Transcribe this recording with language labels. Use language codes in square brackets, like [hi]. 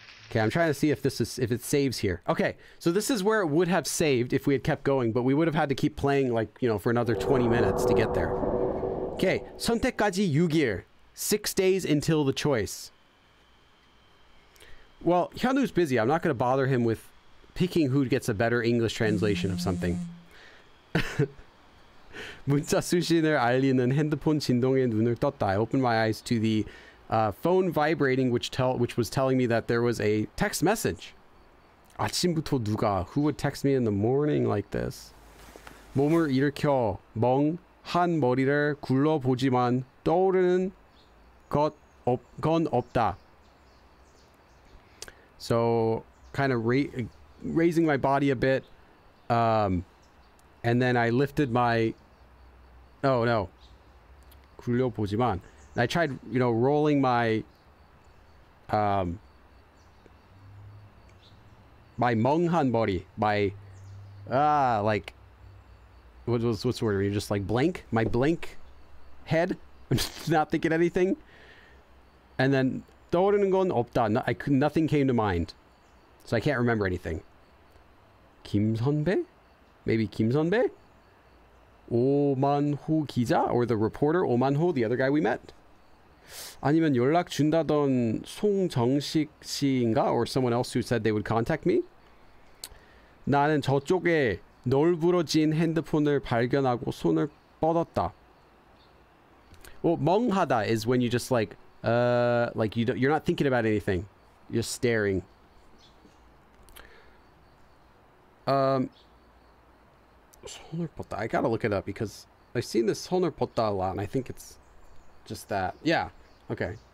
[en] Okay, I'm trying to see if it saves here. Okay, so this is where it would have saved if we had kept going, but we would have had to keep playing, like, you know, for another 20 minutes to get there. Okay, [ko] 선택까지 6일, [en] 6 days until the choice. Well, Hyunwoo's busy. I'm not going to bother him with picking who gets a better English translation of something. [ko] 문자 수신을 알리는 핸드폰 진동에 눈을 떴다. [en] I opened my eyes to the phone vibrating, which was telling me that there was a text message. [ko] 아침부터 누가? [en] Who would text me in the morning like this? [ko] 몸을 일으켜 멍한 머리를 굴러보지만 떠오르는 건 없다. [en] So, kind of raising my body a bit, and then I lifted my, oh no, 굴려보지만, and I tried, you know, rolling my, my 멍한 body, my, like, what's the word, are you just like blank, my blank head, I'm just not thinking anything, and then, nothing came to mind, so I can't remember anything. Kim Sonbae? Maybe Kim Sonbae? Oh Man-ho 기자? Or the reporter, Oh Man-ho, the other guy we met? [ko] 아니면 연락 준다던 송정식 씨인가? [en] Or someone else who said they would contact me? [ko] 나는 저쪽에 널브러진 핸드폰을 발견하고 손을 뻗었다. [en] Well, 멍하다 is when you just like you don't, you're not thinking about anything. You're staring. I gotta look it up because I've seen this 손을 뻗다 a lot and I think it's just that. Yeah. Okay.